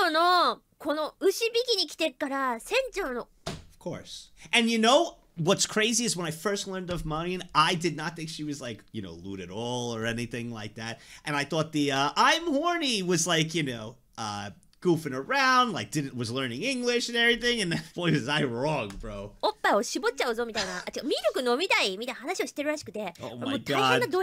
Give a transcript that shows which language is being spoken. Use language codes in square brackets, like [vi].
[ja] というわけでね、ちょっとなんか今日待機所がなんかめっちゃ多くて、なんでこんな急に海外に行きがこんなにいっぱいいるんだって思って、何喋ってるかね、ちょっと見てたんですよ、ちょっとコメントをしたら、なんかね、船長のこの牛引きに来てから船長の [en] Of course. And you know what's crazy is when I first learned of Marine, I did not think she was like, you know, lewd at all or anything like that. And I thought the I'm horny was like, you know, goofing around, like didn't was learning English and everything. And boy, was I wrong, bro. [ja] おっぱいを絞っちゃうぞみたいな。ミルク飲みたいみたいな話をしてるらしくて。 [en] Oh my god.